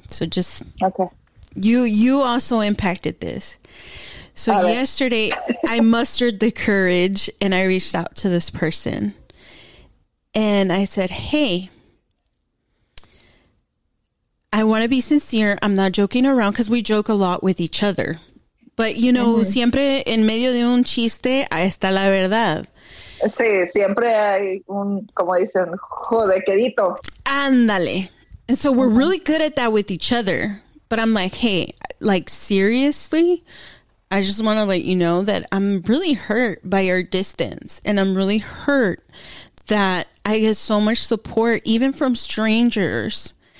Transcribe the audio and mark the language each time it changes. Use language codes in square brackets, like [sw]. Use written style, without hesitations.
[en] So just, you also impacted this. So yesterday I mustered the courage and I reached out to this person and I said, hey, I want to be sincere. I'm not joking around because we joke a lot with each other. [es] But, siempre en medio de un chiste, ahí está la verdad. Sí, siempre hay un, como dicen, jodequerito. Ándale. [en] And so we're really good at that with each other. But I'm like, hey, like, seriously, I just want to let you know that I'm really hurt by our distance. And I'm really hurt that I get so much support, even from strangers.